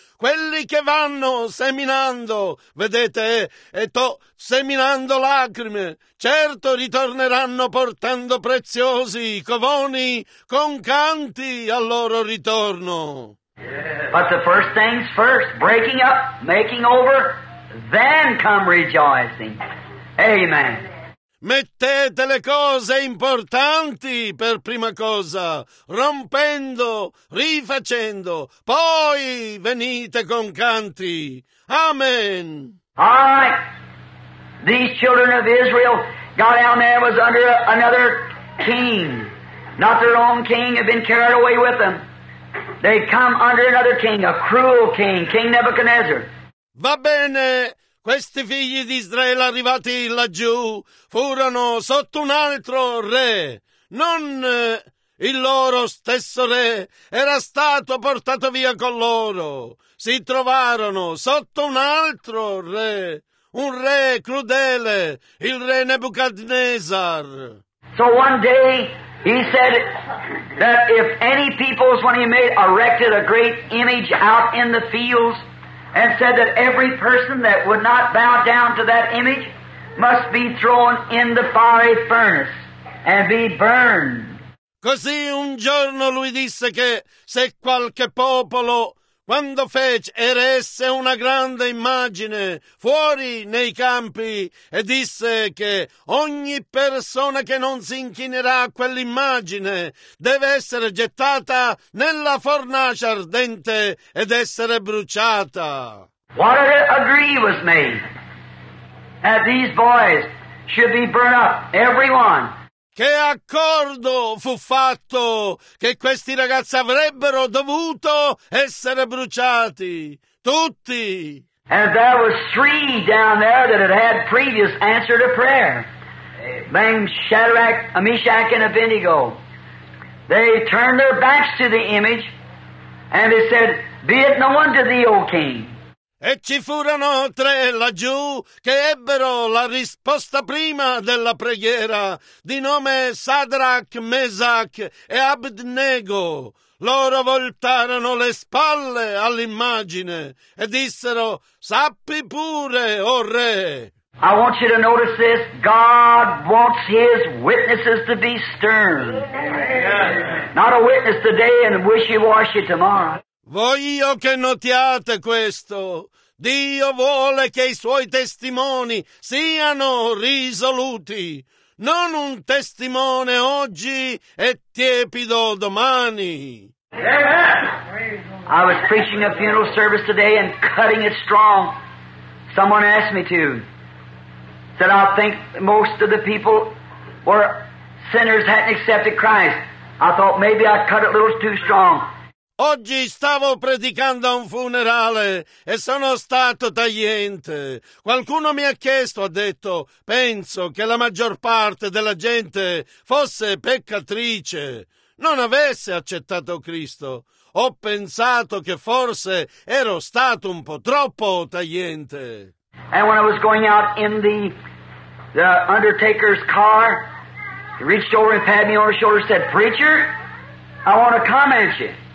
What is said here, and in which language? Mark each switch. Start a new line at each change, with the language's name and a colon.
Italian: Quelli che vanno seminando, vedete, seminando lacrime, certo ritorneranno portando preziosi covoni con canti al loro ritorno.
English: But the first things first, breaking up, making over, then come rejoicing. Amen.
Italian: Mettete le cose importanti per prima cosa, rompendo, rifacendo, poi venite con canti. Amen.
English: All right. These children of Israel got down there, was under another king. Not their own king, had been carried away with them. They come under another king, a cruel king, King Nebuchadnezzar.
Italian: Va bene. Questi figli di Israele arrivati laggiù furono sotto un altro re, non il loro stesso re, era stato portato via con loro. Si trovarono sotto un altro re, un re crudele, il re Nebuchadnezzar.
English: So one day he said that if any peoples, when he made, erected a great image out in the fields, and said that every person that would not bow down to that image must be thrown in the fiery furnace and be burned.
Italian: Così un giorno lui disse che se qualche popolo, quando fece eresse una grande immagine fuori nei campi, e disse che ogni persona che non si inchinerà a quell'immagine deve essere gettata nella fornace ardente ed essere bruciata.
English: What an agreement was made that these boys should be burned up, everyone.
Italian: Che accordo fu fatto che questi ragazzi avrebbero dovuto essere bruciati, tutti.
English: And there was three down there that had had previous answer to prayer, named Shadrach, Meshach, and Abednego. They turned their backs to the image, and they said, "Be it known to thee, O king."
Italian: E ci furono tre laggiù che ebbero la risposta prima della preghiera, di nome Sadrach, Mesach e Abednego. Loro voltarono le spalle all'immagine e dissero, sappi pure, o re.
English: I want you to notice this. God wants his witnesses to be stern. Not a witness today and wishy-washy tomorrow.
Italian: Voglio che notiate questo. Dio vuole che i suoi testimoni siano risoluti, non un testimone oggi e tiepido domani.
English: I was preaching a funeral service today and cutting it strong. Someone asked me to. Said I think most of the people were sinners, hadn't accepted Christ. I thought maybe I cut it a little too strong.
Italian: Oggi stavo predicando a un funerale e sono stato tagliente. Qualcuno mi ha chiesto, ha detto, penso che la maggior parte della gente fosse peccatrice, non avesse accettato Cristo. Ho pensato che forse ero stato un po' troppo tagliente.
English: And when I was going out in the undertaker's car, he reached over and patted me on the shoulder and said, "Preacher, I want to comment you."